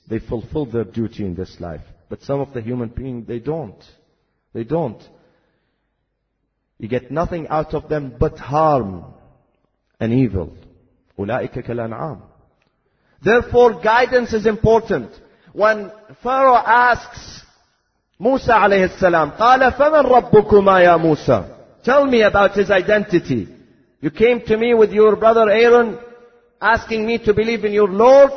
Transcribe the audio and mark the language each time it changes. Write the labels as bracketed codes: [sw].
[en] They fulfill their duty in this life. But some of the human beings, they don't. They don't. You get nothing out of them but harm and evil. [ar] أُولَئِكَ كَالْأَنْعَامِ. [en] Therefore, guidance is important. When Pharaoh asks Musa [ar] عليه السلام, قَالَ فَمَنْ رَبُّكُمَا يَا مُوسَى. [en] Tell me about his identity. You came to me with your brother Aaron, asking me to believe in your Lord.